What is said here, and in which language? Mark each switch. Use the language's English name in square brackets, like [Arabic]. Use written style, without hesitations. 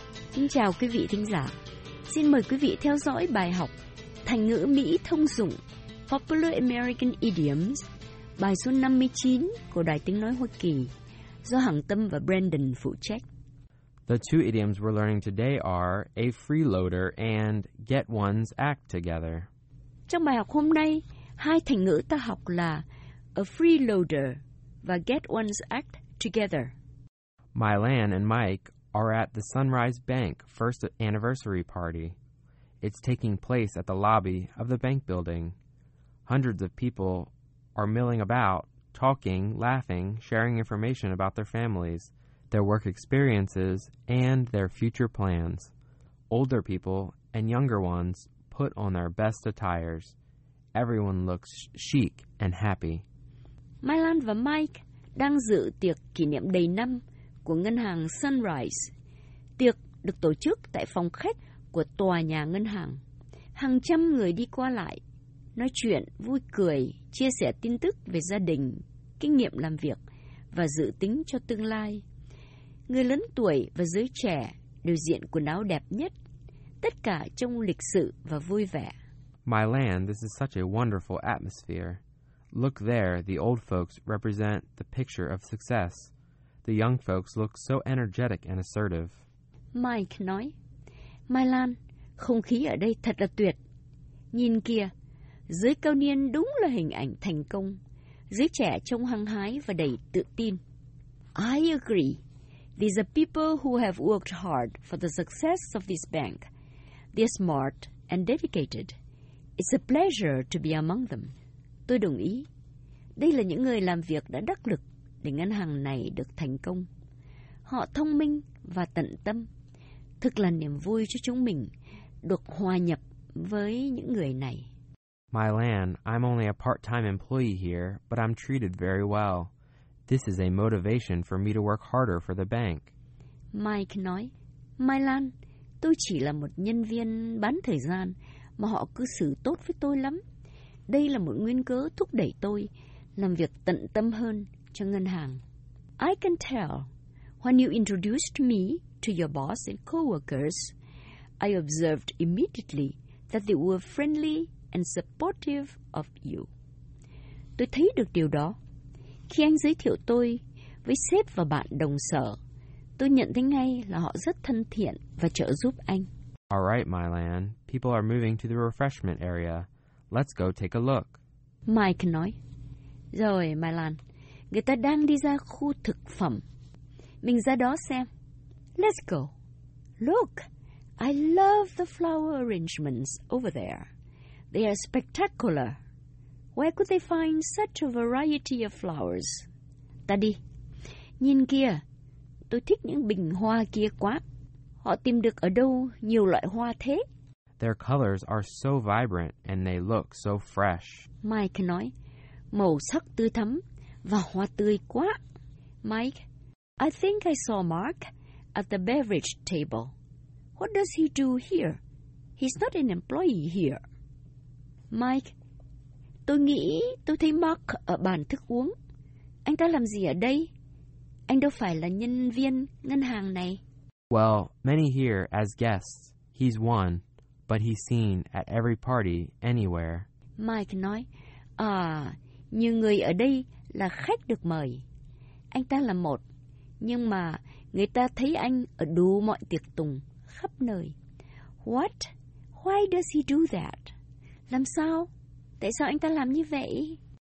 [Vietnamese] Xin chào quý vị thính giả. Xin mời quý vị theo dõi bài học Thành ngữ Mỹ thông dụng Popular American Idioms, bài số 59 của Đài Tiếng Nói Hoa Kỳ, do Hằng Tâm và Brandon phụ trách. [English] The two idioms we're learning today are a freeloader and get one's act together. [Vietnamese] Trong bài học hôm nay, hai thành ngữ ta học là a freeloader và [English] get one's act together. Mylan and Mike are at the Sunrise Bank first anniversary party. It's taking place at the lobby of the bank building. Hundreds of people are milling about, talking, laughing, sharing information about their families, their work experiences, and their future plans. Older people and younger ones put on their best attires. Everyone looks chic and happy. [Vietnamese] Mylan và Mike đang dự tiệc kỷ niệm đầy năm của ngân hàng Sunrise. Tiệc được tổ chức tại phòng khách của tòa nhà ngân hàng. Hàng trăm người đi qua lại, nói chuyện, vui cười, chia sẻ tin tức về gia đình, kinh nghiệm làm việc và dự tính cho tương lai. Người lớn tuổi và giới trẻ đều diện quần áo đẹp nhất, tất cả trông lịch sự và vui vẻ. [English] Mylan, this is such a wonderful atmosphere. Look there, the old folks represent the picture of success. The young folks look so energetic and assertive. [Vietnamese] Mike nói, Mylan, không khí ở đây thật là tuyệt. Nhìn kìa, giới cao niên đúng là hình ảnh thành công. Giới trẻ trông hăng hái và đầy tự tin. [English] I agree. These are people who have worked hard for the success of this bank. They're smart and dedicated. It's a pleasure to be among them. [Vietnamese] Tôi đồng ý. Đây là những người làm việc đã đắc lực để ngân hàng này được thành công. Họ thông minh và tận tâm. Thực là niềm vui cho chúng mình được hòa nhập với những người này. [English] Mylan, I'm only a part-time employee here, but I'm treated very well. This is a motivation for me to work harder for the bank. [Vietnamese] Mike nói, Mylan, tôi chỉ là một nhân viên bán thời gian mà họ cư xử tốt với tôi lắm. Đây là một nguyên cớ thúc đẩy tôi làm việc tận tâm hơn cho ngân hàng. [English] I can tell when you introduced me to your boss and co-workers, I observed immediately that they were friendly and supportive of you. [Vietnamese] Tôi thấy được điều đó. Khi anh giới thiệu tôi với sếp và bạn đồng sở, tôi nhận thấy ngay là họ rất thân thiện và trợ giúp anh. [English] All right, Mylan. People are moving to the refreshment area. Let's go take a look. [Vietnamese] Mike nói. Rồi, Mylan. Người ta đang đi ra khu thực phẩm. Mình ra đó xem. [English] Let's go. Look, I love the flower arrangements over there. They are spectacular. Where could they find such a variety of flowers? [Vietnamese] Ta đi. Nhìn kìa. Tôi thích những bình hoa kia quá. Họ tìm được ở đâu nhiều loại hoa thế? [English] Their colors are so vibrant and they look so fresh. [Vietnamese] Mike nói. Màu sắc tươi thắm và hoa tươi quá. [English] Mike, I think I saw Mark at the beverage table. What does he do here? He's not an employee here. [Vietnamese] Mike, tôi nghĩ tôi thấy Mark ở bàn thức uống. Anh ta làm gì ở đây? Anh đâu phải là nhân viên ngân hàng này. [English] Well, many here as guests. He's one, but he's seen at every party anywhere. [Vietnamese] Mike nói, à, nhiều người ở đây là khách được mời. Anh ta là một, nhưng mà người ta thấy anh ở đủ mọi tiệc tùng khắp nơi. [English] What? Why does he do that? [Vietnamese] Làm sao? Tại sao anh ta làm như vậy?